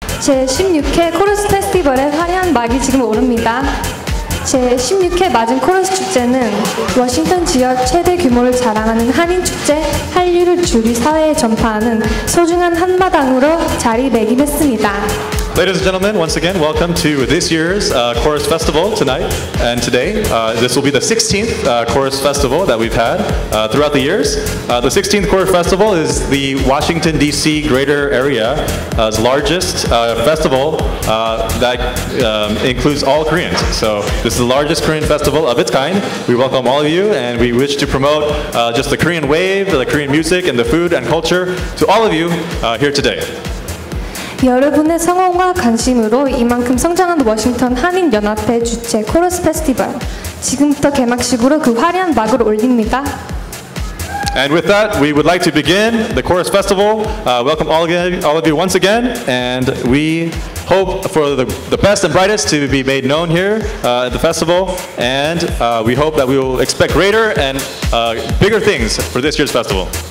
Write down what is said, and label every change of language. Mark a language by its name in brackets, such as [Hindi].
[Korean] 제16회 코러스 페스티벌의 화려한 막이 지금 오릅니다. 제16회 맞은 코러스 축제는 워싱턴 지역 최대 규모를 자랑하는 한인 축제, 한류를 주류 사회에 전파하는 소중한 한마당으로 자리매김했습니다. [English] Ladies and gentlemen, once again, welcome to this year's Chorus Festival tonight and today. This will be the 16th Chorus Festival that we've had throughout the years. The 16th Chorus Festival is the Washington, D.C. greater area's largest festival that includes all Koreans. So this is the largest Korean festival of its kind. We welcome all of you and we wish to promote just the Korean wave, the Korean music and the food and culture to all of you here today. [Korean] 여러분의 성원과 관심으로 이만큼 성장한 워싱턴 한인연합회 주최 코러스 페스티벌 지금부터 개막식으로 그 화려한 막을 올립니다. [English] And with that, we would like to begin the Chorus Festival. Welcome all of you once again, and we hope for the best and brightest to be made known here at the festival, and we hope that we will expect greater and bigger things for this year's festival.